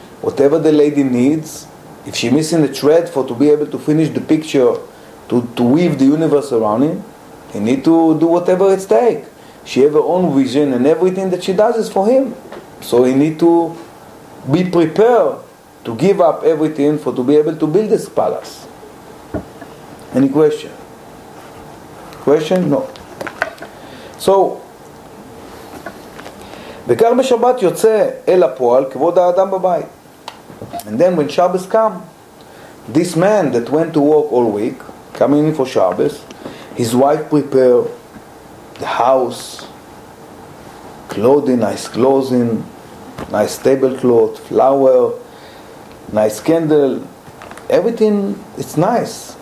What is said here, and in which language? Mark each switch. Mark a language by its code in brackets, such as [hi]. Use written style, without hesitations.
[en] Whatever the lady needs, if she's missing a thread for to be able to finish the picture, to weave the universe around him, he needs to do whatever it takes. She has her own vision, and everything that she does is for him. So he needs to be prepared to give up everything for to be able to build this palace. Any question? Question? No. [he] So, בקר בשבת יוצא אל הפועל כבוד האדם בבית. [en] And then when Shabbos come, this man that went to work all week, coming in for Shabbos, his wife prepared the house, clothing, nice tablecloth, flower, nice candle, everything, it's nice.